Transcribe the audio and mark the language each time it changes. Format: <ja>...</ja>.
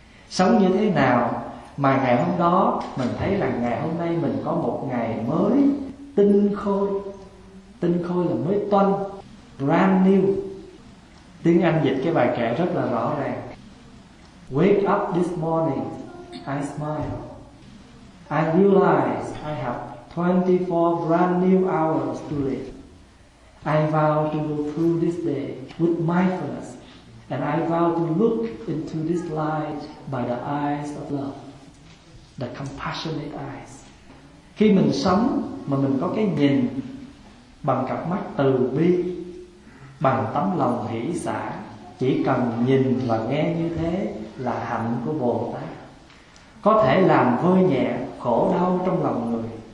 <vi>Sống như thế nào mà ngày hôm đó mình thấy rằng ngày hôm nay mình có một ngày mới tinh khôi. Tinh khôi là mới toanh,</vi> <en>brand new.</en> <vi>Tiếng Anh dịch cái bài kệ rất là rõ ràng:</vi> <en>Wake up this morning, I smile. I realize I have 24 brand new hours to live. I vow to go through this day with mindfulness, and I vow to look into this light by the eyes of love, the compassionate eyes.</en> <vi>Khi mình sống mà mình có cái nhìn bằng cặp mắt từ bi, bằng tấm lòng hỷ xả, chỉ cần nhìn và nghe như thế là hạnh của Bồ Tát, có thể làm vơi nhẹ khổ đau trong lòng người.</vi>